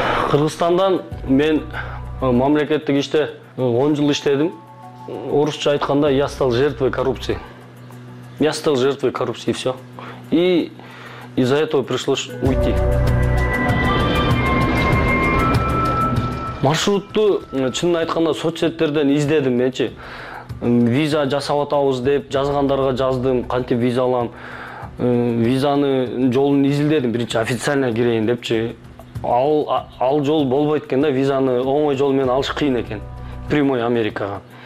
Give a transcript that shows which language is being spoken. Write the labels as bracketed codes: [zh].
[ky] Кыргызстандан мен мамлекеттик иште 10 жыл иштедим. Орусча айтканда [ru] я стал жертвой коррупции. Я стал жертвой коррупции и всё. И из-за этого пришлось уйти. [ky] Маршрутту чынын айтканда соцсеттерден издедим менчи. Виза жасап атабыз деп жазгандарга жаздым, кантип виза алам. Визаны жолун изилдедим, биринчи официально кирейин депчи. Ал жол болбойт экен да, визаны оңой жол менен алыш кыйын экен. Прямой Америкага.